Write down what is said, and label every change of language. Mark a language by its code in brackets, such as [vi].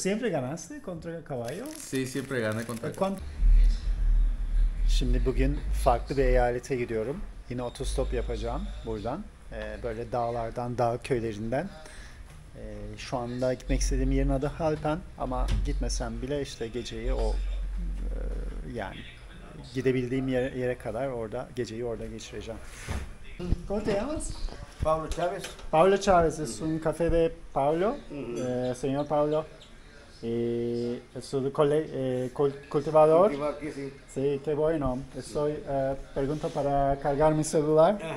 [es] ¿siempre ganaste contra el caballo? Sí, siempre gané contra el caballo. [tr] Şimdi bugün farklı bir eyalete gidiyorum. Yine otostop yapacağım buradan. Böyle dağlardan, dağ köylerinden. Şu anda gitmek istediğim yerin adı Halpen. Ama gitmesem bile işte geceyi o yani gidebildiğim yere kadar orada geceyi orada geçireceğim. [es] ¿Cómo te llamas? Pablo Chávez. Pablo Chávez, es un café de Pablo, señor Pablo. Es un cultivador. Cultivo aquí, sí. Sí, qué bueno. Estoy pregunto para cargar mi celular.